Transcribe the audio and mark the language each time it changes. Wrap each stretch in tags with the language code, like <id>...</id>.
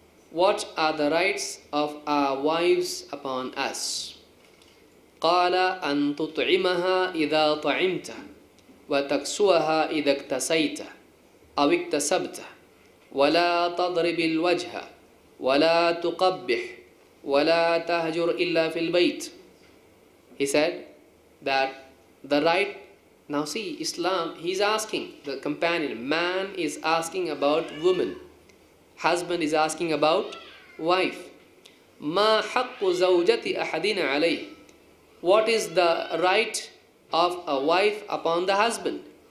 <en>What are the rights of our wives upon us?</en> <ar>قال أن تطعمها إذا طعمت وَتَكْسُوَهَا إِذَا اكْتَسَيْتَ أَوْ اكْتَسَبْتَ وَلَا تَضْرِبِ الْوَجْهَ ولا تقبح ولا تهجر الا في البيت.</ar> <en>He said that the right, now see Islam, he's asking the companion, man is asking about woman, husband is asking about wife.</en> <ar>ما حق زوجة أحدنا عليه,</ar> <en>what is the right of a wife upon the husband?</en>